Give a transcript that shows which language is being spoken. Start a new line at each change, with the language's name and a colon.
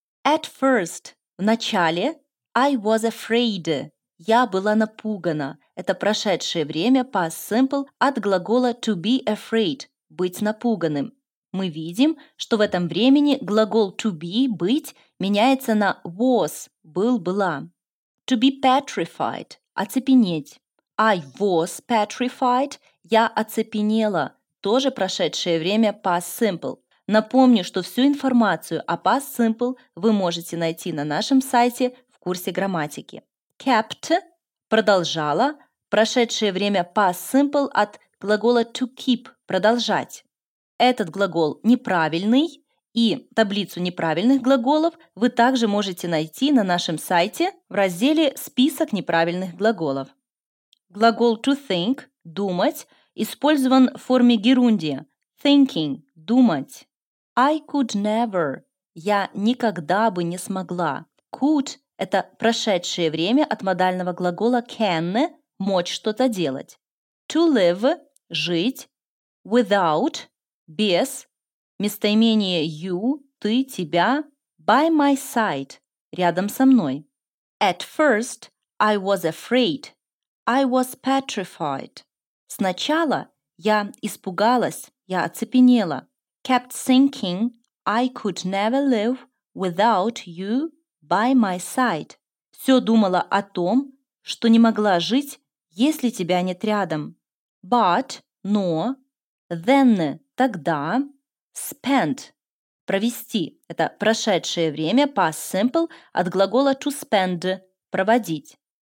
English: At first.
Russian: В начале.
English: I was afraid.
Russian: Я была напугана. Это прошедшее время, past simple, от глагола
English: to be afraid,
Russian: быть напуганным. Мы видим, что в этом времени глагол to be, быть, меняется на was, был, была.
English: To be petrified, оцепенеть. I was petrified,
Russian: я оцепенела, тоже прошедшее время, past simple. Напомню, что всю информацию о past simple вы можете найти на нашем сайте в курсе грамматики. Kept, продолжала. Прошедшее время past simple от глагола
English: to keep,
Russian: продолжать. Этот глагол неправильный, и таблицу неправильных глаголов вы также можете найти на нашем сайте в разделе «Список неправильных глаголов». Глагол
English: to think,
Russian: думать, использован в форме герундия, thinking, думать.
English: I could never,
Russian: я никогда бы не смогла. Could – это прошедшее время от модального глагола can – мочь что-то делать.
English: To live – жить.
Russian: Without – без. Местоимение you – ты, тебя.
English: By my side –
Russian: рядом со мной.
English: At first – I was afraid. I was petrified.
Russian: Сначала я испугалась, я оцепенела.
English: Kept thinking – I could never live without you by my side.
Russian: Все думала о том, что не могла жить, если тебя нет рядом.
English: But, но, then, тогда, spent, провести.
Russian: Это прошедшее время, past simple, от глагола
English: to spend,
Russian: проводить.